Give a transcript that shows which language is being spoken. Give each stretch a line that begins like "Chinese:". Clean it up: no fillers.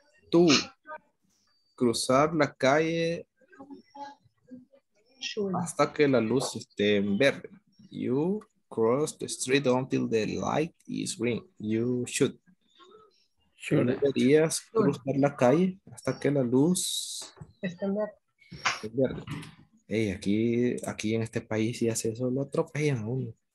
Spanish: Tú cruzar la calle hasta que la luz esté en verde.
English: You cross the street until the light is green. You should.
Spanish: ¿Deberías cruzar la calle hasta que la luz esté en verde? Es verde. Hey, aquí en este país, si hace eso, lo atropellan a uno.